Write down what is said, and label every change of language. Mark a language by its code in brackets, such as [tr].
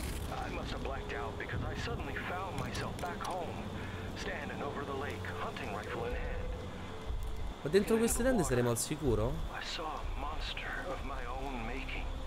[en] I must have blacked out because I suddenly found myself back home, standing over the lake, hunting rifle in hand. [it] Ma dentro queste tende saremo al sicuro? [en] I saw a monster of my own making.